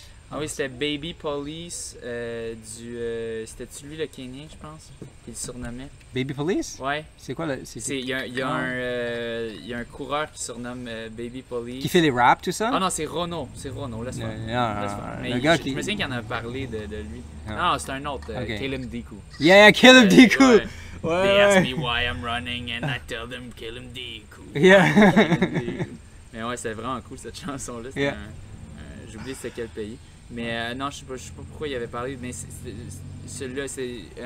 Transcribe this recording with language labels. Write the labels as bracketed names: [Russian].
[French] Ah oui, c'était Baby Police c'était-tu lui le Kenyan, je pense, qu'il surnommait? Baby Police? Ouais. C'est quoi le... Il y a un coureur qui surnomme Baby Police. Qui fait les raps, tout ça? Ah non, c'est Rono, laisse-moi. Le gars qui... Je me souviens qu'il en a parlé de lui. Non, c'est un autre, okay. Caleb Deku. Yeah, Caleb Deku! Ouais. [English] They ask me why I'm running and I tell them Caleb Deku. Yeah. [French] Mais ouais, c'est vraiment cool cette chanson-là, c'était yeah. J'ai oublié c'était quel pays. Mais non, je sais pas pourquoi il avait parlé, mais celui-là, c'est...